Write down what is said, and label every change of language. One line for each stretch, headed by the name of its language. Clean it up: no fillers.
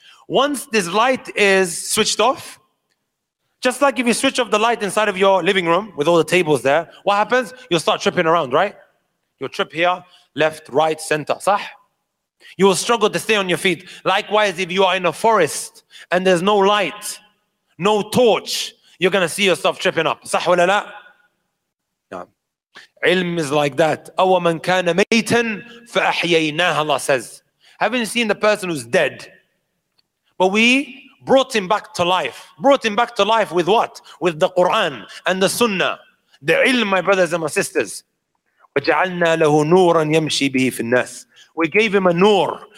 English: Once this light is switched off, just like if you switch off the light inside of your living room with all the tables there, what happens? You'll start tripping around, right? You'll trip here, left, right, center,
Arabic: صح?
English: You will struggle to stay on your feet. Likewise, if you are in a forest and there's no light, no torch, you're going to see yourself tripping up.
Arabic: صح ولا لا?
English: Ilm is like that.
Arabic: أَوَ مَنْ كَانَ مَيْتًا فَأَحْيَيْنَاهَ,
English: Allah says. Haven't you seen the person who's dead? But we brought him back to life. Brought him back to life with what? With the Qur'an and the sunnah. The ilm, my brothers and my sisters.
Arabic: وَجَعَلْنَا لَهُ نُورًا يَمْشِي بِهِ فِي النَّاسِ.
English: We gave him a noor.